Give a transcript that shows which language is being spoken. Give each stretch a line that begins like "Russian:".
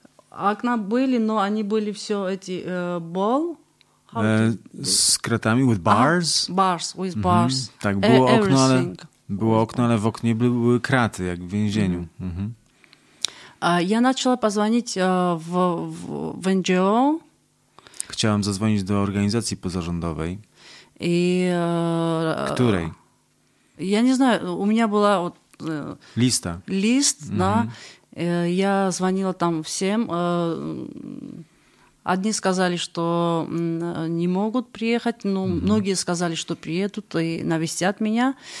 Russian: Окна были, но они были все эти ball. С кратами,
English: with bars? Bars, with bars.
Russian: Так, было окно, але, было окно, але в окне были краты, как в вензине. Я начала позвонить в NGO.
Polish: Chciałam zadzwonić do organizacji pozarządowej. I, której? Ja nie
Russian: знаю,
Polish: u mnie była lista.
English: List, no.
Polish: Ja dzwoniła tam wszystkim.
Russian: Одни сказали, что не могут приехать, но многие сказали, что приедут и навестят меня.